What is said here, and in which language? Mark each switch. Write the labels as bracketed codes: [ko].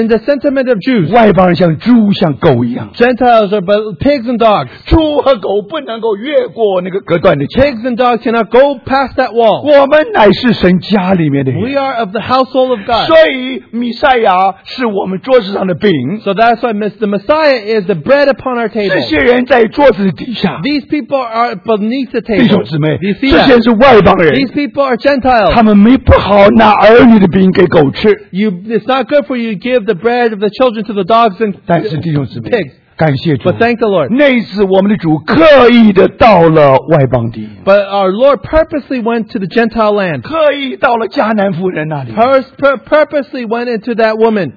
[en] In the sentiment of Jews. [zh] 外邦人像猪像狗一样。 [en] Gentiles are but pigs and dogs. [zh] 猪和狗不能够越过那个隔断的墙。 [en] Pigs and dogs cannot go past that wall. [zh] 我们乃是神家里面的人。 [en] We are of the household of God. [zh] 所以弥赛亚是我们桌子上的饼。 [en] So that's why the Messiah is the bread upon our table. [zh] 这些人在桌子底下。 [en] These people are beneath the table. [zh] 弟兄姊妹, [en] Do you see that? [zh] 这些是外邦人, [en] These people are Gentiles. [zh] 他们没不好拿儿女的饼给狗吃。 [en] It's not good for you to give the bread of the children to the dogs and [zh] 但是弟兄姊妹, [en] pigs. [zh] 感谢主, [en] but thank the Lord. [zh] 那次我们的主刻意地到了外邦地, [en] but our Lord purposely went to the Gentile land. [zh] 刻意到了迦南妇人那里, [en] purposely went into that woman.